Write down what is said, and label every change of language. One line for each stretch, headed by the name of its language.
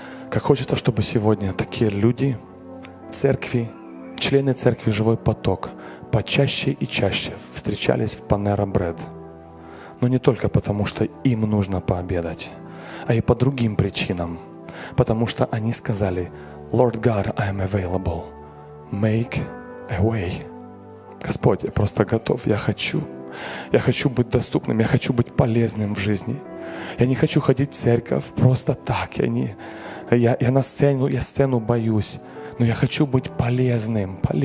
Russian: Как хочется, чтобы сегодня такие люди, церкви, члены церкви «Живой поток» почаще и чаще встречались в Panera Bread. Но не только потому, что им нужно пообедать, а и по другим причинам. Потому что они сказали,
English: «Lord God, I am available. Make a way».
Russian: Господь, я просто готов, я хочу. Я хочу быть доступным, я хочу быть полезным в жизни. Я не хочу ходить в церковь просто так, я не... Я на сцену, я сцену боюсь, но я хочу быть полезным.